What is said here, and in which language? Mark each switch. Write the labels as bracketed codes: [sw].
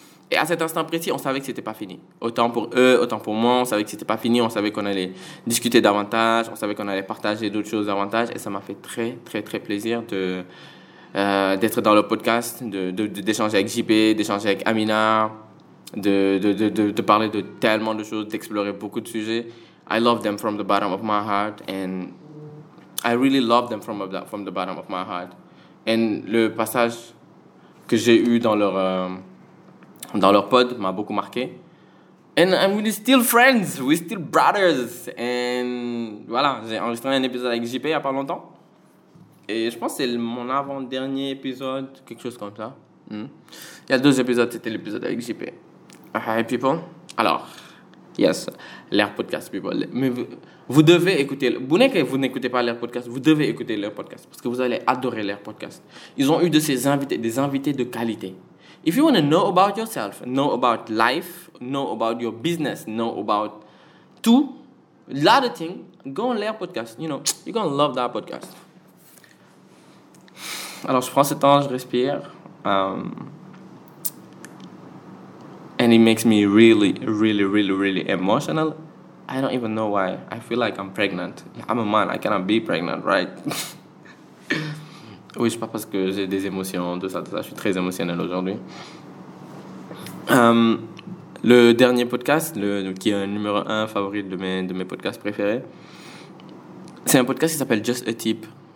[fr] Et à cet instant précis, on savait que c'était pas fini. Autant pour eux, autant pour moi, on savait que c'était pas fini, on savait qu'on allait discuter davantage, on savait qu'on allait partager d'autres choses davantage. Et ça m'a fait très, très, très plaisir d'être dans le podcast, d'échanger avec JP, d'échanger avec Amina, de parler de tellement de choses, d'explorer beaucoup de sujets. [en] I love them from the bottom of my heart and I really love them from the bottom of my heart. [fr] And le passage que j'ai eu dans leur pod m'a beaucoup marqué. [en] And I'm really still friends, we're still brothers. [fr] And voilà, j'ai enregistré un épisode avec JP il n'y a pas longtemps. Et je pense que c'est mon avant-dernier épisode, quelque chose comme ça. Il y a 2 épisodes, c'était l'épisode avec JP. [en] Hi people. Alors, yes, l'air podcast people. [fr] Mais vous devez écouter. Bonne que vous n'écoutez pas l'air podcast. Vous devez écouter l'air podcast parce que vous allez adorer l'air podcast. Ils ont eu de ces invités, des invités de qualité. [en] If you want to know about yourself, know about life, know about your business, know about tout, lot of things, go on l'air podcast. You know, you're gonna love that podcast. [fr] Alors je prends ce temps, je respire. [en] And it makes me really, really, really, really emotional. I don't even know why. I feel like I'm pregnant. I'm a man. I cannot be pregnant, right? [fr] Oui, je parle parce que j'ai des émotions, tout ça. Je suis très émotionnel aujourd'hui. Le dernier podcast, qui est un numéro 1 favori de mes podcasts préférés, c'est un podcast qui s'appelle Just a Tip.